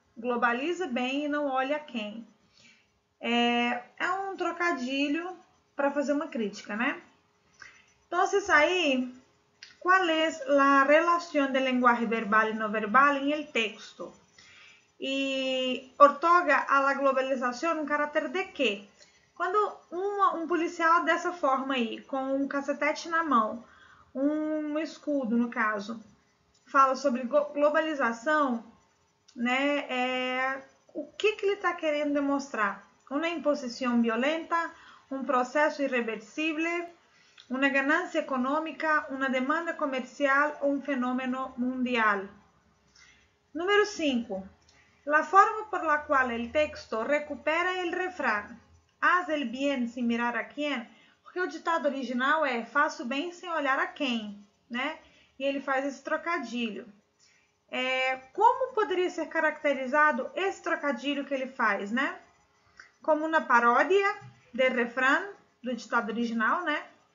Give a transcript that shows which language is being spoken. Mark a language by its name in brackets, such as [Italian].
[Spanish] Globaliza bien y no olha a quién. Es un trocadillo para hacer una crítica, ¿no? Entonces ahí, ¿cuál es la relación del lenguaje verbal y no verbal en el texto? Y otorga a la globalización un carácter de qué. [Portuguese] Quando um policial dessa forma aí, com um cacetete na mão, um escudo no caso, fala sobre globalização, né? O que ele está querendo demonstrar? Uma imposição violenta, um processo irreversível, uma ganância econômica, uma demanda comercial ou um fenômeno mundial? [Spanish] Número 5. La forma por la cual el texto recupera el refrán. Haz el bien sin mirar a quién. [Portuguese] Porque o ditado original é faço bem sem olhar a quem, né? E ele faz esse trocadilho. Como poderia ser caracterizado esse trocadilho que ele faz, né? Como uma paródia de refrão do ditado original, né?